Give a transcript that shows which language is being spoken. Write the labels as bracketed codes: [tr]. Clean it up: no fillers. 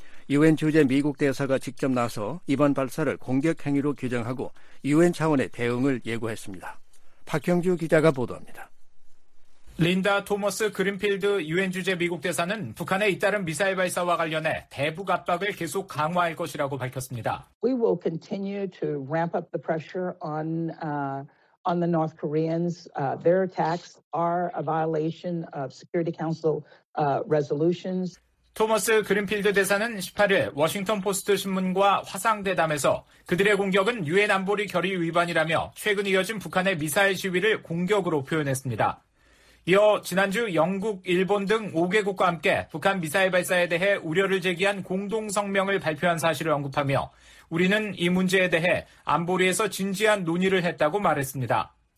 [ko] 유엔 주재 미국 대사가 직접 나서 이번 발사를 공격 행위로 규정하고 유엔 차원의 대응을 예고했습니다. 박형주 기자가 보도합니다. 린다 토머스 그린필드 유엔 주재 미국 대사는 북한의 잇따른 미사일 발사와 관련해 대북 압박을 계속 강화할 것이라고 밝혔습니다. [en] We will continue to ramp up the pressure on the North Koreans. Their attacks are a violation of Security Council resolutions. [ko] 토머스 그린필드 대사는 18일 워싱턴 포스트 신문과 화상 대담에서 그들의 공격은 유엔 안보리 결의 위반이라며 최근 이어진 북한의 미사일 시위를 공격으로 표현했습니다. 이어 지난주 영국, 일본 등 5개 국과 함께 북한 미사일 발사에 대해 우려를 제기한 공동 성명을 발표한 사실을 언급하며 우리는 이 문제에 대해 안보리에서 진지한 논의를 했다고 말했습니다.